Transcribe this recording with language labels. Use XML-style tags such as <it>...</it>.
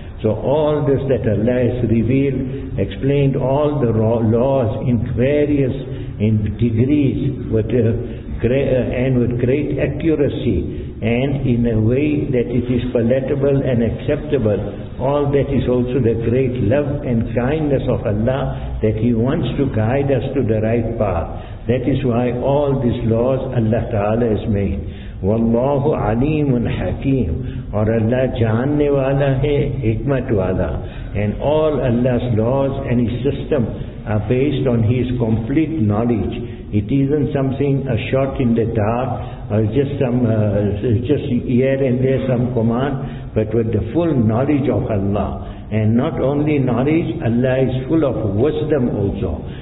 <en>So all this that Allah has revealed, explained all the laws in various in degrees with great accuracy and in a way that it is palatable and acceptable, all that is also the great love and kindness of Allah, that He wants to guide us to the right path. That is why all these laws Allah Ta'ala has made.</en> <ar>وَاللَّهُ عَلِيمٌ حَكِيمٌ.</ar> <ur>اور اللہ جاننے والا ہے حکمت والا.</ur> <en>And all Allah's laws and His system are based on His complete knowledge. It isn't something a shot in the dark or just here and there some command, but with the full knowledge of Allah. And not only knowledge, Allah is full of wisdom also.</en>